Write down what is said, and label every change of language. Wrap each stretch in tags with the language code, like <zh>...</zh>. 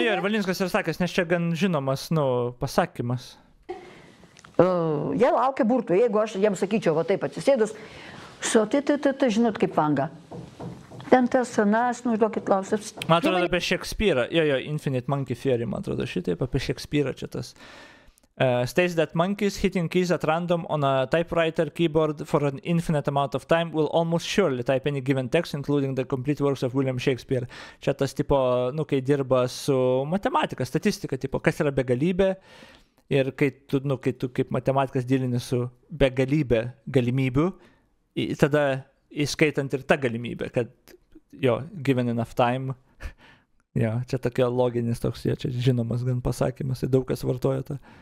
<lt>Nu, jo, ir Valinskas ir sakęs, nes čia gan žinomas, nu, pasakymas. Jie laukia burtų, jeigu aš jiems sakyčiau, va taip atsisėdus, su, tai, žinot, kaip vanga. Ten tas, na, aš nužduokit klausimus. Man atrodo apie Šekspyrą. Jo, Infinite Monkey Theory, man atrodo šitaip, apie Šekspyrą čia tas.</lt> <en>States that monkeys hitting keys at random on a typewriter keyboard for an infinite amount of time will almost surely type any given text, including the complete works of William Shakespeare.</en> <lt>Čia tas, tipo, nu, kai dirba su matematika, statistika, tipo, kas yra begalybė. Ir kai tu, nu, kai tu kaip matematikas dylini su begalybė galimybių, tada... Įskaitant ir tą galimybę, kad jo,</lt> <en>given enough time,</en> <lt>jo, čia tokio loginis toks, jo, čia žinomas gan pasakymas, daug kas vartoja tą.</lt>